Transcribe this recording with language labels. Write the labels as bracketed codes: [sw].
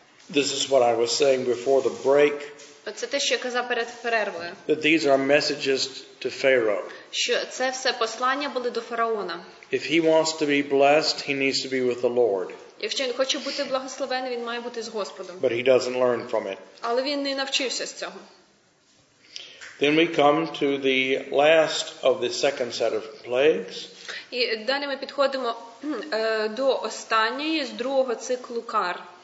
[en] This is what I was saying before the break. [uk] Це те, що я казав перед перервою. [en] That these are messages to Pharaoh. [uk] Що це все послання були до фараона. [en] If he wants to be blessed, he needs to be with the Lord. [uk] Якщо він хоче бути благословений, він має бути з Господом. [en] But he doesn't learn from it. [uk] Але він не навчився з цього. [en] Then we come to the last of the second set of plagues. [uk] І далі ми підходимо до останньої з другого циклу кар.